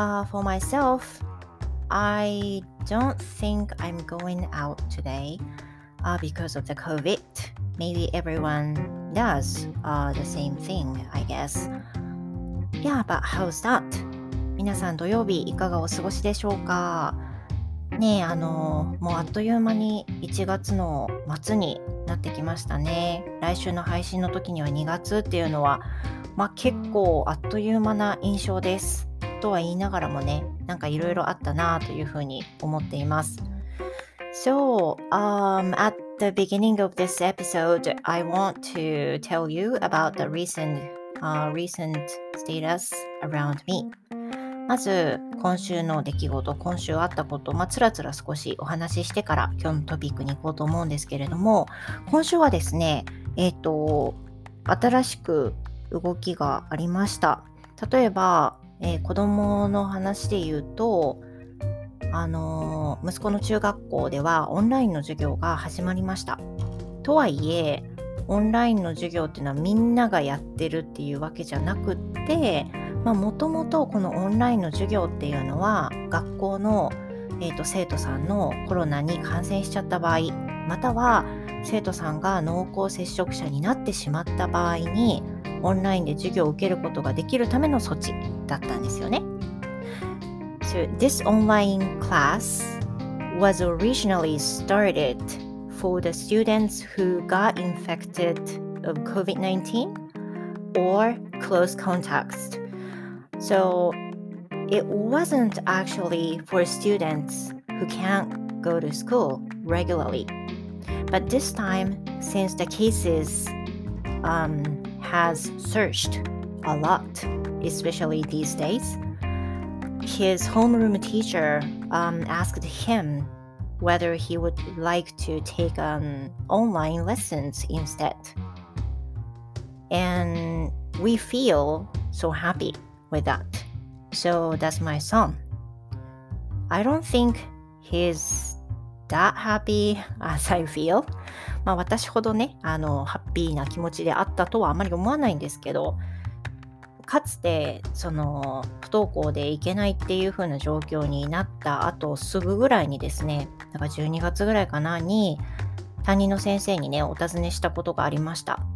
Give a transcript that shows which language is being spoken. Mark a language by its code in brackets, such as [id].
[en] For myself, I don't think I'm going out today because of the COVID. Maybe everyone does the same thing, I guess. Yeah, but how's that? [ja] 皆さん土曜日いかがお過ごしでしょうか?ねえ、もうあっという間に1月の末になってきましたね。来週の配信の時には2月っていうのは、まあ結構あっという間な印象です。とは言いながらもね、なんかいろいろあったなというふうに思っています。 [en] So, at the beginning of this episode, I want to tell you about the recent status around me. [ja] まず今週の出来事、今週あったこと、まあ、つらつら少しお話ししてから今日のトピックに行こうと思うんですけれども、今週はですね、新しく動きがありました。例えば、子供の話で言うと、息子の中学校ではオンラインの授業が始まりました。とはいえオンラインの授業っていうのはみんながやってるっていうわけじゃなくって、まあ、もともとこのオンラインの授業っていうのは学校の、生徒さんのコロナに感染しちゃった場合、または生徒さんが濃厚接触者になってしまった場合にオンラインで授業を受けることができるための措置だったんですよね。 [en] So this online class was originally started for the students who got infected of COVID-19 or close contactsSo, it wasn't actually for students who can't go to school regularly. But this time, since the cases has surged a lot, especially these days, his homeroom teacher asked him whether he would like to take online lessons instead. And we feel so happywith that. So that's my son. I don't think he's that happy as I feel. [ja] まあ私ほどね、ハッピーな気持ちであったとはあまり思わないんですけど、かつてその不登校で行けないっていう風な状況になった後すぐぐらいにですね、なんか12月ぐらいかなに担任の先生にね、お尋ねしたことがありました。